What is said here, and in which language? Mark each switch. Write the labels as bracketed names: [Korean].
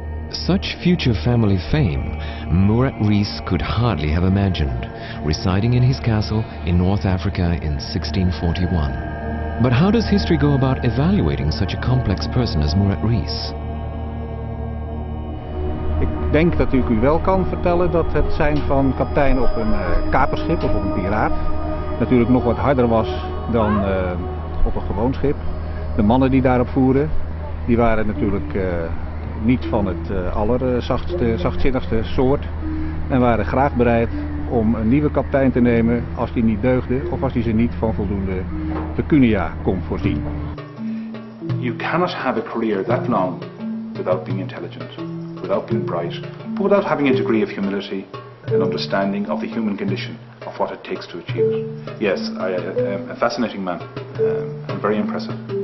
[English] Such future family fame Murat Reis could hardly have imagined, residing in his castle in North Africa in 1641. But how does history go about evaluating such a complex person as Murat Reis? [Dutch] denk dat ik u wel kan vertellen dat het zijn van kapitein op een kaperschip of op een piraat natuurlijk nog wat harder was dan op een gewoon schip. De mannen die daarop voeren, die waren natuurlijk niet van het zachtzinnigste soort en waren graag bereid om een nieuwe kapitein te nemen als die niet deugde of als die ze niet van voldoende pecunia kon voorzien. [English] You cannot have a career that long without being intelligent, without being bright, but without having a degree of humility and understanding of the human condition, of what it takes to achieve it. Yes, I am a fascinating man, and very impressive.